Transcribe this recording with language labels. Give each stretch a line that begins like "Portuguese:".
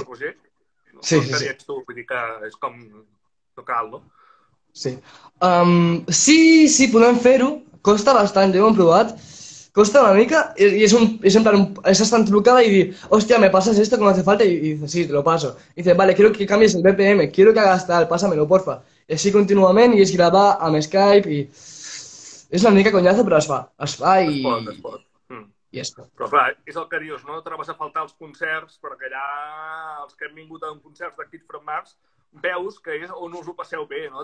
Catalan: El Roger? Sí, no, sí, ets tu, vull dir que és com... No cal, no? Sí. Sí, podem fer-ho. Costa bastant, ja ho hem provat. Costa una mica i és en plan, és estar trucada i dir, hòstia,
Spanish: me passes esto como hace falta? I dice, sí, te lo paso. I dice, vale, quiero que cambies el BPM, quiero que hagas tal, pásamelo, porfa.
Catalan: I així contínuament i es grava amb Skype i... És una mica conyazo, però es fa i... Es pot. I és però clar, és el que dius, no? Trobes a faltar els concerts, perquè allà els que hem vingut a un concert de Kids from Mars veus que és on us ho passeu bé, no?